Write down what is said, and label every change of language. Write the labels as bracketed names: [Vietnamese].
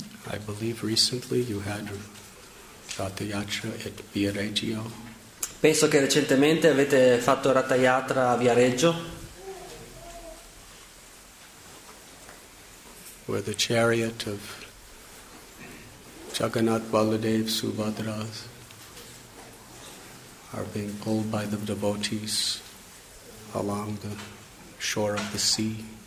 [English] I believe recently you had Ratha Yatra at Viareggio. [Italian] Penso che recentemente avete fatto Ratha Yatra a Viareggio. [English] Where the chariot of Jagannath Baladev Subhadras are being pulled by the devotees along the shore of the sea.